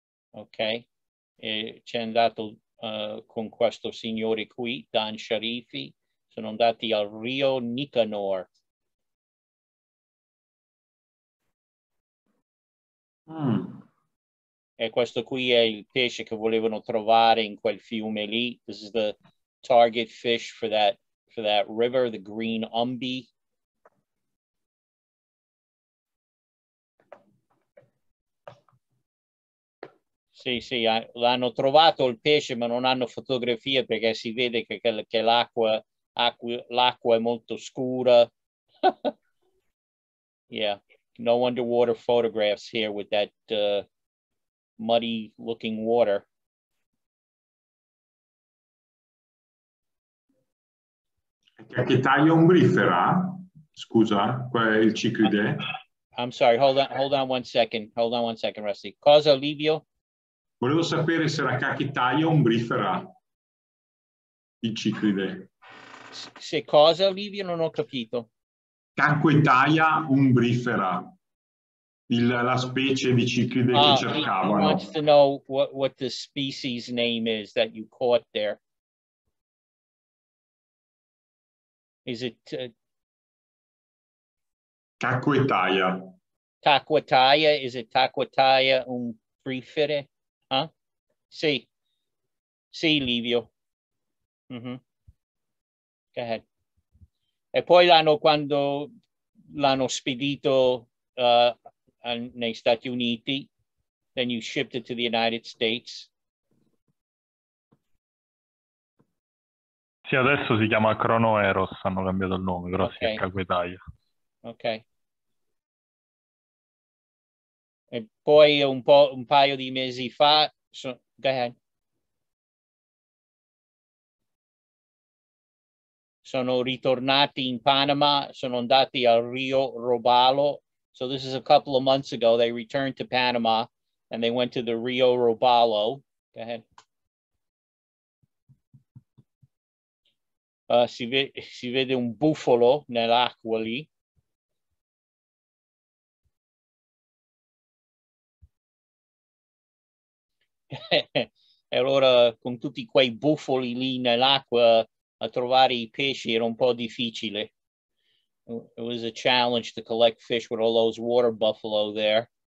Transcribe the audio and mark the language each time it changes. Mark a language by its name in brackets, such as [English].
[Italian] Ok, e c'è andato con questo signore qui, Dan Sharifi, sono andati al Rio Nicanor. Mm. E questo qui è il pesce che volevano trovare in quel fiume lì. [English] This is the target fish for that river, the green umbi. [Italian] Sì, sì, l'hanno trovato il pesce, ma non hanno fotografie perché si vede che l'acqua è molto scura. [English] Yeah, no underwater photographs here with that muddy looking water. [Italian] Cicchitaia umbrifera? Scusa, il ciclide? [English] I'm sorry, hold on one second, Rusty. [Italian] Cosa, Livio? Volevo sapere se era cacchitaia umbrifera il ciclide. Se cosa, Livio? Non ho capito. Cacchitaia umbrifera, la specie di ciclide che cercavano. [English] He wants to know what the species name is that you caught there. Is it... [Italian] Cacchitaia. [English] Cacchitaia, is it cacchitaia umbrifera? [Italian] Sì, sì, Livio. Mm-hmm. [English] Go ahead. [Italian] E poi quando l'hanno spedito nei Stati Uniti, [English] then you shipped it to the United States. [Italian] Sì, adesso si chiama Crono Eros, hanno cambiato il nome, però okay. Sì, Cacquetaia. Ok. E poi un paio di mesi fa, [English] go ahead. [Italian] Sono ritornati in Panama, sono andati al Rio Robalo. [English] So this is a couple of months ago, they returned to Panama and they went to the Rio Robalo. Go ahead. [Italian] Si vede un bufalo nell'acqua lì. E allora con tutti quei bufoli lì nell'acqua a trovare I pesci era un po' difficile. [English] It was a challenge to collect fish with all those water buffalo there.